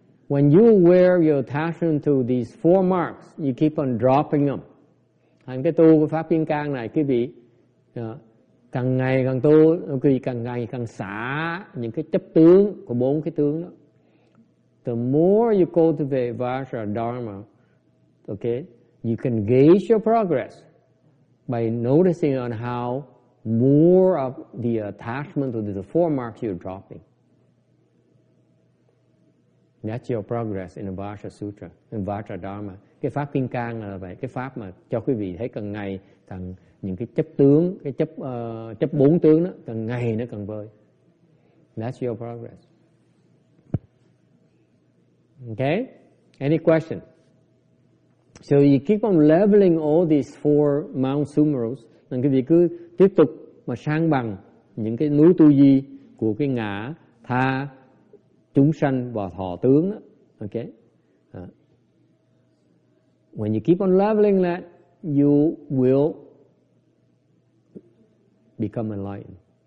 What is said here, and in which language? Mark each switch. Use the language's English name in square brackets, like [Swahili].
[English] When you wear your attachment to these four marks, you keep on dropping them. [Vietnamese] Hành cái tu của Pháp Kim Cang này, quý vị càng ngày càng tu, quý vị càng ngày càng xả những cái chấp tướng của bốn cái tướng đó. [English] The more you cultivate Vajra Dharma, okay, you can gauge your progress by noticing on how more of the attachment to the four marks you're dropping. That's your progress in the Vajra Sutra, in Vajra Dharma. [Vietnamese] Cái pháp Kim Cang là vậy, cái pháp mà cho quý vị thấy càng ngày càng những cái chấp tướng, cái chấp chấp bốn tướng đó càng ngày nó càng vơi. [English] That's your progress. Okay? Any question? So you keep on leveling all these four Mount Sumerus, [Vietnamese] nên quý vị cứ tiếp tục mà sang bằng những cái núi tu di của cái ngã, tha, chúng sanh và thọ tướng đó. [English] Okay? When you keep on leveling that, you will become enlightened.